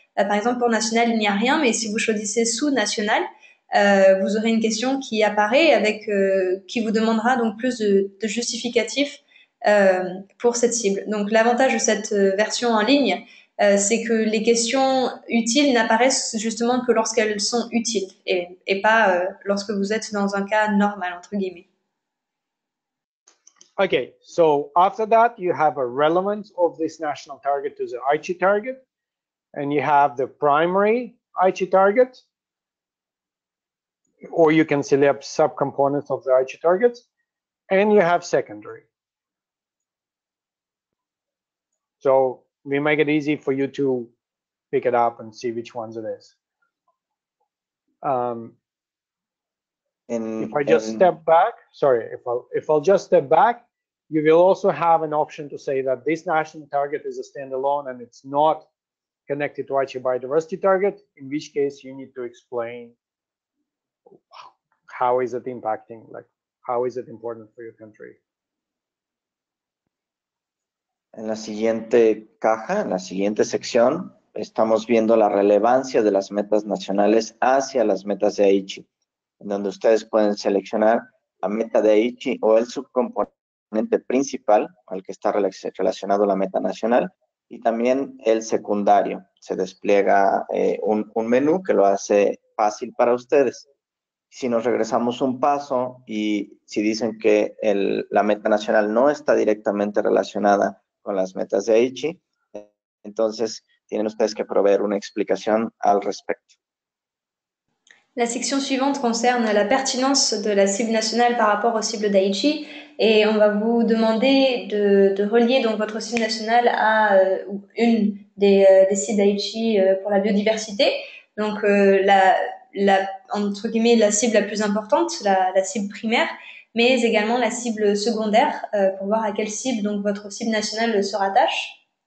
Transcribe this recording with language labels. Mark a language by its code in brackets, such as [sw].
[fr] Par exemple, pour national, il n'y a rien, mais si vous choisissez sous-national, vous aurez une question qui apparaît avec qui vous demandera donc plus de justificatifs pour cette cible. Donc, l'avantage de cette version en ligne, c'est que les questions utiles n'apparaissent justement que lorsqu'elles sont utiles et pas lorsque vous êtes dans un cas normal, entre guillemets. [en] OK, so after that, you have a relevance of this national target to the Aichi target. And you have the primary Aichi target, or you can select subcomponents of the Aichi targets, and you have secondary. So we make it easy for you to pick it up and see which ones it is. If I'll just step back, you will also have an option to say that this national target is a standalone and it's not connected to Aichi biodiversity target, in which case you need to explain how is it impacting, like how is it important for your country. [es] En la siguiente caja, en la siguiente sección, estamos viendo la relevancia de las metas nacionales hacia las metas de Aichi, en donde ustedes pueden seleccionar la meta de Aichi o el subcomponente principal al que está relacionado la meta nacional, y también el secundario. Se despliega un menú que lo hace fácil para ustedes. Si nos regresamos un paso y si dicen que la meta nacional no está directamente relacionada con las metas de Aichi, entonces tienen ustedes que proveer una explicación al respecto. [fr] La sección suivante concerne la pertinence de la cible nationale par rapport aux cibles d'Aichi. Et on va vous demander de relier donc votre cible nationale à une des cibles d'Aichi pour la biodiversité. Donc entre guillemets, la cible la plus importante, la cible primaire, mais également la cible secondaire pour voir à quelle cible donc votre cible nationale se rattache.